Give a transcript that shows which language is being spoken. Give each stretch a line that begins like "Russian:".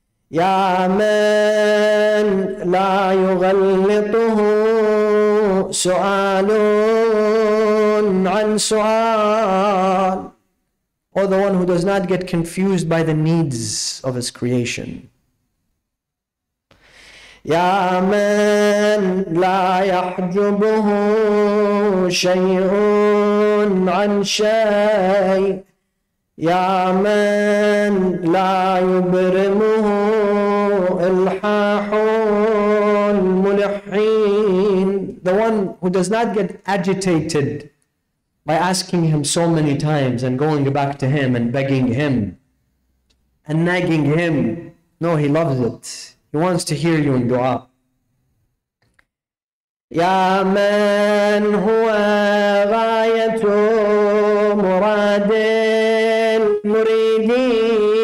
Arabic: Ya man la yughallituhu su'alun an su'al.
English: Or the one who does not get confused by the needs of his creation.
Arabic: يا من لا يحجبه شيء عن شيء يا من لا يبرمه الحاح الملحين.
English: The one who does not get agitated by asking him so many times and going back to him and begging him and nagging him. No, he loves it. He wants to hear you in dua.
Arabic: يا من هو غاية مراد المريدين.